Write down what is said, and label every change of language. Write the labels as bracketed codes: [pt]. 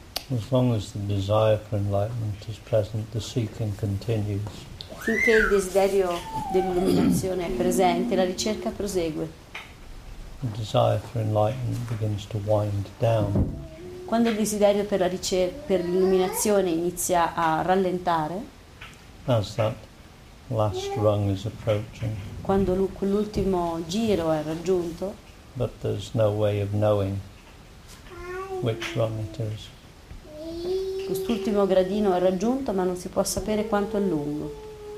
[en] As long as the desire for enlightenment is present, the seeking continues. [it] Finché il desiderio dell'illuminazione è presente, la ricerca prosegue. [en] The desire for enlightenment begins to wind down. [it] Quando il desiderio per la per l'illuminazione inizia a rallentare, [en] as that last rung is approaching, [it] quando quell'ultimo giro è raggiunto, [en] but there's no way of knowing which rung it is. [it] Quest'ultimo gradino è raggiunto, ma non si può sapere quanto è lungo.